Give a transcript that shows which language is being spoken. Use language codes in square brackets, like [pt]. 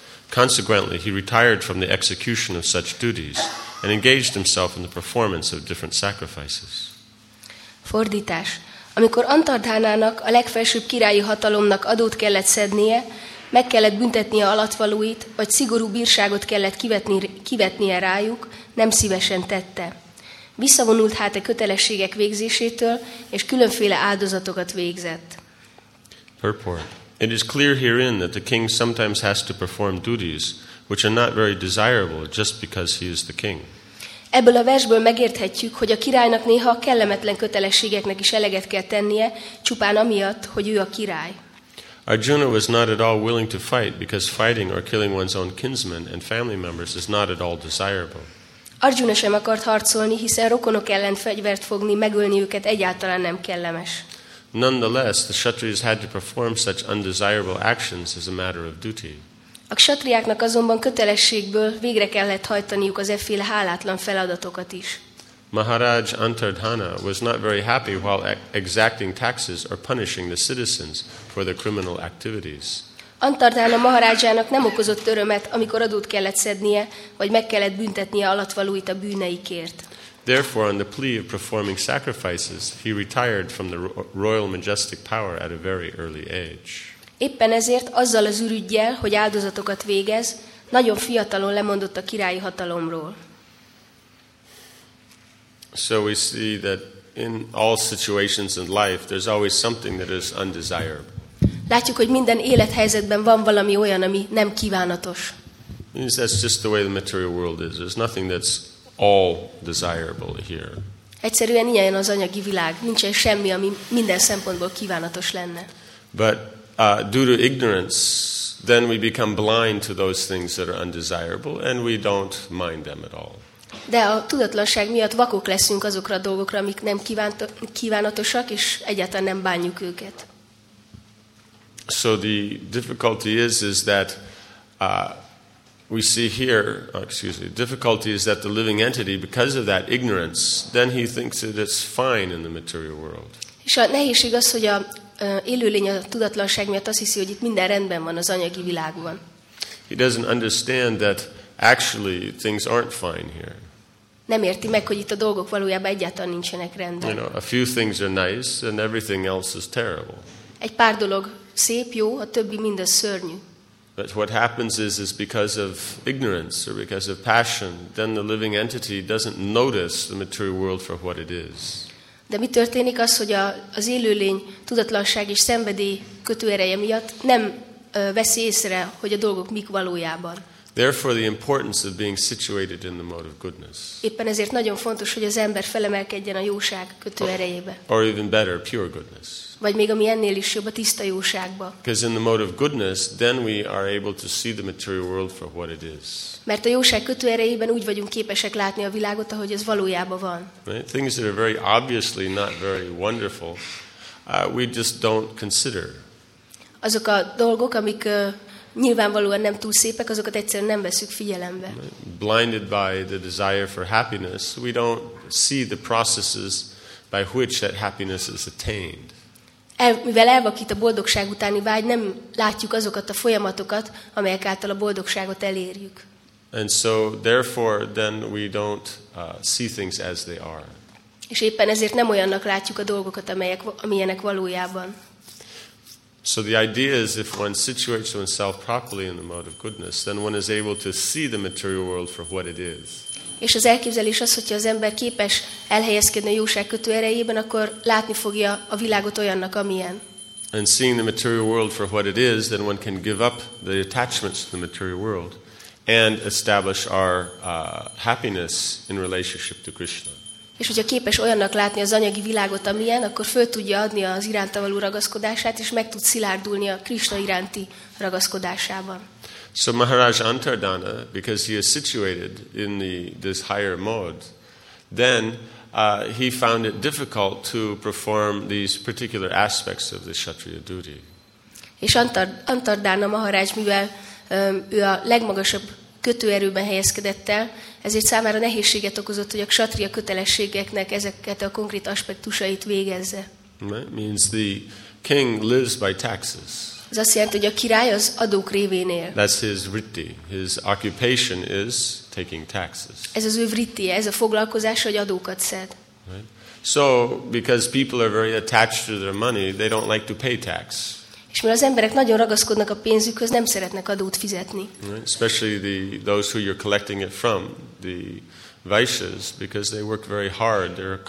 [en] Consequently, he retired from the execution of such duties and engaged himself in the performance of different sacrifices. [hu] Fordítás. Amikor Antardhanának, a legfelsőbb királyi hatalomnak adót kellett szednie, meg kellett büntetnie alattvalóit, vagy szigorú bírságot kellett kivetnie rájuk, nem szívesen tette. Visszavonult hát a kötelességek végzésétől, és különféle áldozatokat végzett. [en] Purport. It is clear herein that the king sometimes has to perform duties, which are not very desirable just because he is the king. [hu] Ebből a versből megérthetjük, hogy a királynak néha kellemetlen kötelességeknek is eleget kell tennie, csupán amiatt, hogy ő a király. [en] Arjuna was not at all willing to fight because fighting or killing one's own kinsmen and family members is not at all desirable. [hu] Arjuna sem akart harcolni, hiszen rokonok ellen fegyvert fogni, megölni őket egyáltalán nem kellemes. [en] Nonetheless, the kshatriyas had to perform such undesirable actions as a matter of duty. [hu] A kshatriáknak azonban kötelességből végre kellett hajtaniuk az efféle hálátlan feladatokat is. [en] Maharaj Antardhana was not very happy while exacting taxes or punishing the citizens for their criminal activities. [hu] Antardhana maharádzsának nem okozott örömet, amikor adót kellett szednie, vagy meg kellett büntetnie alattvalóit a bűneikért. [en] Therefore, on the plea of performing sacrifices, he retired from the royal majestic power at a very early age. [hu] Éppen ezért azzal az ürüggyel, hogy áldozatokat végez, nagyon fiatalon lemondott a királyi hatalomról. [en] So we see that in all situations in life, there's always something that is undesirable. [hu] Látjuk, hogy minden élethelyzetben van valami olyan, ami nem kívánatos. [en] That's just the way the material world is. There's nothing that's all desirable here. [hu] Egyszerűen ilyen az anyagi világ. Nincsen semmi, ami minden szempontból kívánatos lenne. [en] But due to ignorance, then we become blind to those things that are undesirable, and we don't mind them at all. [hu] De a tudatlanság miatt vakok leszünk azokra a dolgokra, amik nem kívánatosak, és egyáltalán nem bánjuk őket. [en] So the difficulty is that we see here, difficulty is that the living entity, because of that ignorance, then he thinks that it's fine in the material world. [hu] És a nehézség az, hogy a élőlény a tudatlanság miatt azt hiszi, hogy itt minden rendben van az anyagi világban. [en] He doesn't understand that actually things aren't fine here. [hu] Nem érti meg, hogy itt a dolgok valójában egyáltalán nincsenek rendben. [en] You know, a few things are nice, and everything else is terrible. [hu] Egy pár dolog szép, jó, a többi mindez szörnyű. [en] But what happens is because of ignorance or because of passion, then the living entity doesn't notice the material world for what it is. [hu] De mi történik az, hogy az élőlény tudatlanság és szenvedély kötőereje miatt nem veszi észre, hogy a dolgok mik valójában. [en] Therefore the importance of being situated in the mode of goodness. [hu] Éppen ezért nagyon fontos, hogy az ember felemelkedjen a jóság kötőerejébe. [en] Or even better, pure goodness. [hu] Vagy még ami ennél is jobb, a tiszta jóságba. [en] Because in the mode of goodness, then we are able to see the material world for what it is. [hu] Mert a jóság kötőerejében úgy vagyunk képesek látni a világot, ahogy ez valójában van. [en] Right? Things that are very obviously not very wonderful, we just don't consider. [hu] Azok a dolgok, amik nyilvánvalóan nem túl szépek, azokat egyszerűen nem veszük figyelembe. [en] Blinded by the desire for happiness, we don't see the processes by which that happiness is attained. [hu] Mivel elvakít a boldogság utáni vágy, nem látjuk azokat a folyamatokat, amelyek által a boldogságot elérjük. [en] And so therefore then we don't see things as they are. [hu] És éppen ezért nem olyannak látjuk a dolgokat, amelyek amilyenek valójában. [en] So the idea is if one situates oneself properly in the mode of goodness, then one is able to see the material world for what it is. [hu] És az elképzelés az, hogyha az ember képes elhelyezkedni a jóság kötő erejében, akkor látni fogja a világot olyannak, amilyen. [en] And seeing the material world for what it is, then one can give up the attachments to the material world and establish our happiness in relationship to Krishna. [hu] És hogyha képes olyannak látni az anyagi világot, amilyen, akkor föl tudja adni az iránta való ragaszkodását, és meg tud szilárdulni a Krishna iránti ragaszkodásában. [en] So Maharaj Antardhana, because he is situated in this higher mode, then he found it difficult to perform these particular aspects of the Kshatriya duty. [hu] És Antardhana Maharaj, mivel ő a legmagasabb kötőerőben helyezkedett el, ezért számára nehézséget okozott, hogy a kshatriya kötelességeknek ezeket a konkrét aspektusait végezze. [en] Right? Means the king lives by taxes. [hu] Ez azt jelenti, hogy a király az adók révén él. [en] That's his vritti. His occupation is taking taxes. [hu] Ez az ő vrittie, ez a foglalkozása, hogy adókat szed. [en] Right? So, because people are very attached to their money, they don't like to pay tax. [hu] És mivel az emberek nagyon ragaszkodnak a pénzükhöz, nem szeretnek adót fizetni. [en] Right? Especially those who you're collecting it from, the vaishyas, because they work very hard.